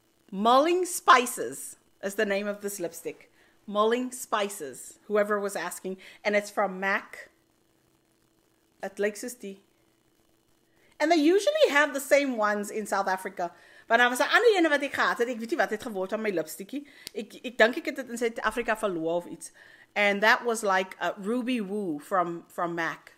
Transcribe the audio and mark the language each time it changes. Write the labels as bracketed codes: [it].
[en] Mulling Spices is the name of this lipstick. Mulling Spices, whoever was asking. And it's from MAC. [af] Het lyk soos die. [en] And they usually have the same ones in South Africa. [af] Maar nou was een ander ene wat ek gehad het. Ek weet nie wat het geword van my lipstickie. Ek dink ek het in Suid-Afrika verloor of iets. [en] And that was like a Ruby Woo from MAC.